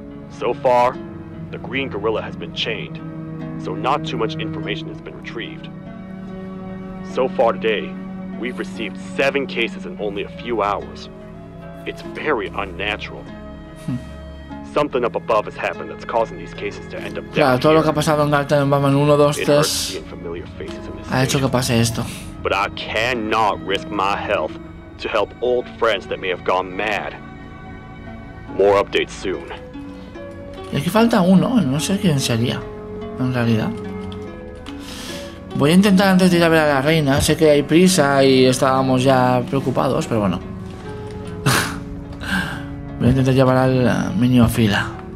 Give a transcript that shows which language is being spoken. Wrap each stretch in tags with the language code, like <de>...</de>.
<en>So far, the green gorilla has been chained, so not too much information has been retrieved. So far today, we've received 7 cases in only a few hours. It's very unnatural. Something up above has happened that's causing these cases to end up dead.</en> <es>Claro, todo lo que ha pasado en Garten, en Batman 1, 2, 3, ha hecho que pase esto.</es> <en>But I cannot risk my health to help old friends that may have gone mad. More updates soon.</en> <es>Y aquí falta uno, no sé quién sería, en realidad. Voy a intentar antes de ir a ver a la reina, sé que hay prisa y estábamos ya preocupados, pero bueno. Voy a intentar llevar al niño a fila.</es>